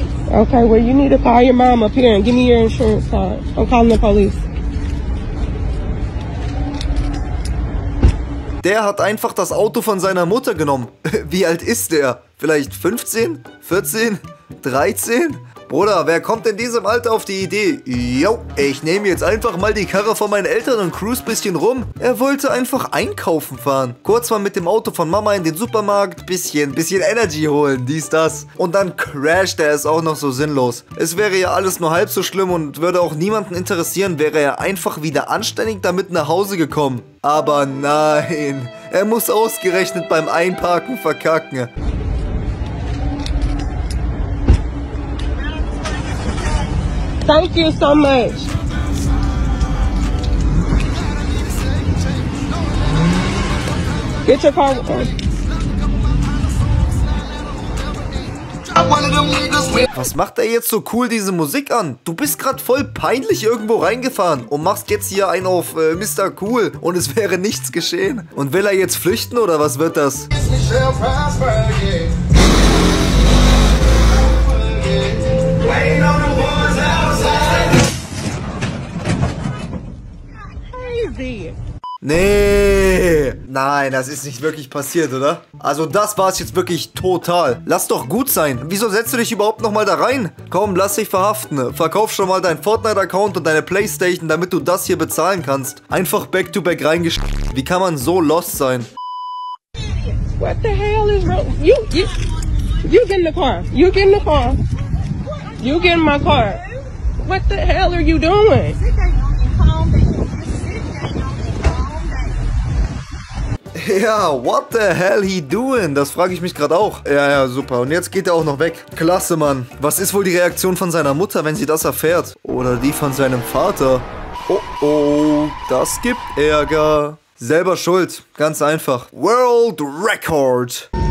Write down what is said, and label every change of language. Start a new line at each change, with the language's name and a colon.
English: Okay, well you need to call your mom up here and give me your insurance card. I'm calling the police.
German: Der hat einfach das Auto von seiner Mutter genommen. Wie alt ist der? Vielleicht 15? 14? 13? Bruder, wer kommt in diesem Alter auf die Idee? Jo, ich nehme jetzt einfach mal die Karre von meinen Eltern und cruise ein bisschen rum. Er wollte einfach einkaufen fahren. Kurz mal mit dem Auto von Mama in den Supermarkt, bisschen Energy holen, dies, das. Und dann crasht er es auch noch so sinnlos. Es wäre ja alles nur halb so schlimm und würde auch niemanden interessieren, wäre er einfach wieder anständig damit nach Hause gekommen. Aber nein, er muss ausgerechnet beim Einparken verkacken.
English: Thank you so much. Get your car.
German: Was macht er jetzt so cool diese Musik an? Du bist gerade voll peinlich irgendwo reingefahren und machst jetzt hier einen auf Mr. Cool und es wäre nichts geschehen. Und will er jetzt flüchten oder was wird das? Nee, nein, das ist nicht wirklich passiert, oder? Also das war es jetzt wirklich total. Lass doch gut sein. Wieso setzt du dich überhaupt nochmal da rein? Komm, lass dich verhaften. Verkauf schon mal deinen Fortnite-Account und deine Playstation, damit du das hier bezahlen kannst. Einfach back-to-back reingeschickt. Wie kann man so lost sein?
English: What the hell is wrong? You get in the car. You get in the car. You get in my car. What the hell are you doing? Ja, what the hell he doing?
German: Das frage ich mich gerade auch. Ja, ja, super. Und jetzt geht er auch noch weg. Klasse, Mann. Was ist wohl die Reaktion von seiner Mutter, wenn sie das erfährt? Oder die von seinem Vater? Oh, oh, das gibt Ärger. Selber schuld. Ganz einfach.
English: World Record.